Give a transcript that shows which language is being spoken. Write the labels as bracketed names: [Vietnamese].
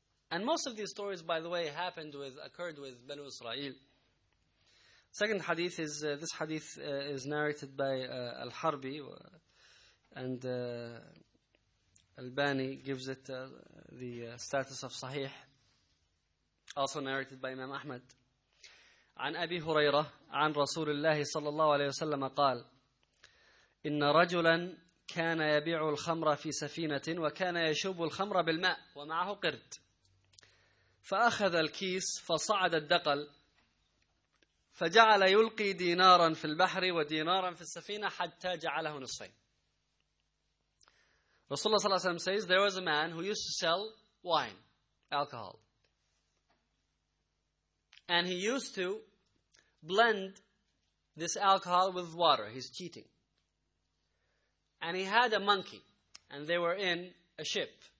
[English] And most of these stories, by the way, occurred with Banu Israel. Second hadith is, this hadith is narrated by Al-Harbi, and Al-Bani gives it the status of Sahih, also narrated by Imam Ahmad. [Arabic] عن أبي هريرة عن رسول الله صلى الله عليه وسلم قال إن رجلا كان يبيع الخمر في سفينة وكان يشوب الخمر بالماء ومعه قرد فأخذ الكيس فصعد الدقل فجعل يلقي دينارا في البحر ودينارا في السفينة حتى جعله نصفين. [English] رسول الله صلى الله عليه وسلم says there was a man who used to sell wine, alcohol. And he used to blend this alcohol with water. He's cheating. And he had a monkey. And they were in a ship.